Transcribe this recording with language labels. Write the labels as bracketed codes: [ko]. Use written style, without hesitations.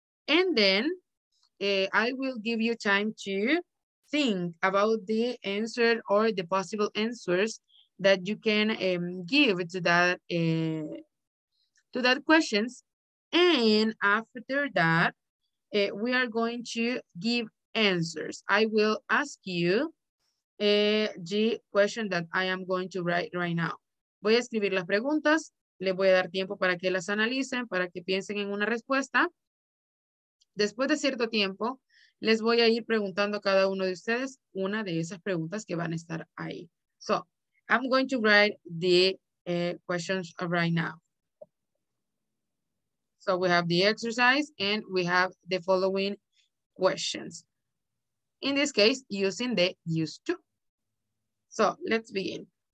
[en] And then I will give you time to think about the answer or the possible answers that you can give to that questions. And after that, we are going to give answers. I will ask you the question that I am going to write right now. [es] Voy a escribir las preguntas, les voy a dar tiempo para que las analicen, para que piensen en una respuesta. Después de cierto tiempo, les voy a ir preguntando a cada uno de ustedes una de esas preguntas que van a estar ahí. [en] So, I'm going to write the questions right now. So we have the exercise and we have the following questions. In this case, using the used to. So let's begin.